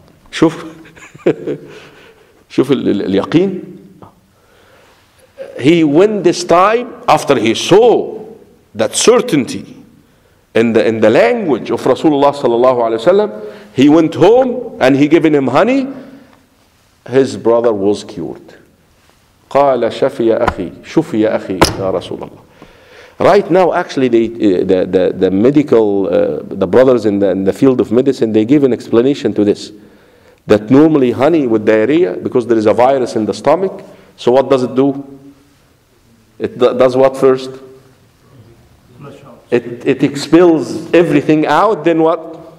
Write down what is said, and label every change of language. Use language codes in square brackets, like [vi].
[ar] شوف شوف اليقين. [en] He went this time after he saw that certainty in the language of Rasulullah sallallahu alayhi wasallam, he went home and he given him honey. His brother was cured. [ar] قال شفي يا أخي شفي يا أخي يا رسول الله. [en] Right now, actually, the brothers in the field of medicine, they give an explanation to this. That normally honey with diarrhea, because there is a virus in the stomach, so what does it do? It does what first? It expels everything out, then what?